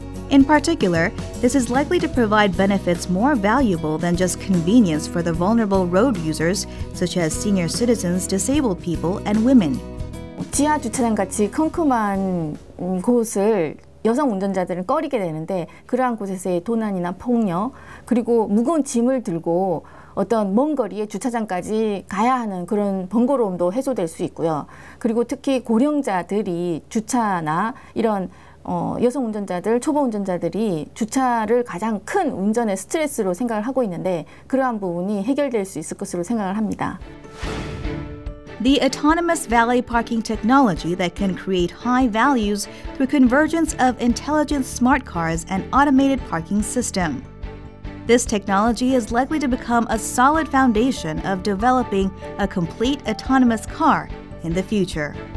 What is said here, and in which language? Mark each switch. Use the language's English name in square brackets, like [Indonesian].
[English] In particular, this is likely to provide benefits more valuable than just convenience for the vulnerable road users, such as senior citizens, disabled people, and women. [Korean] 지하 주차장같이 컴컴한 곳을 여성 운전자들은 꺼리게 되는데 그러한 곳에서의 도난이나 폭력 그리고 무거운 짐을 들고 어떤 먼 거리에 주차장까지 가야 하는 그런 번거로움도 해소될 수 있고요. 그리고 특히 고령자들이 주차나 이런 여성 운전자들, 초보 운전자들이 주차를 가장 큰 운전의 스트레스로 생각을 하고 있는데 그러한 부분이 해결될 수 있을 것으로 생각을 합니다. [English] The autonomous valet parking technology that can create high values through convergence of intelligent smart cars and automated parking system. This technology is likely to become a solid foundation of developing a complete autonomous car in the future.